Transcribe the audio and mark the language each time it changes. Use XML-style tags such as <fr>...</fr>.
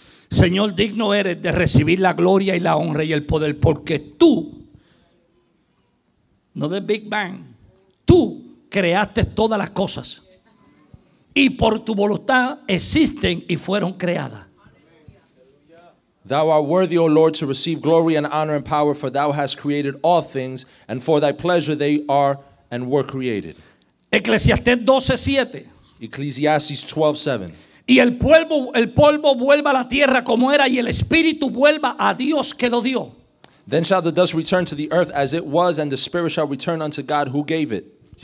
<es>Señor, digno eres de recibir la gloria y la honra y el poder, porque tú, no de Big Bang, tú creaste todas las cosas y por tu voluntad existen y fueron creadas.</es> <en>Thou art worthy, O Lord, to receive glory and honor and power, for thou hast created all things, and for thy pleasure they are and were created. Ecclesiastes 12:7.</en> <es>Y el polvo vuelva a la tierra como era, y el espíritu vuelva a Dios que lo dio.</es> <en>Then shall the dust return to the earth as it was, and the spirit shall return unto God who gave it.</en>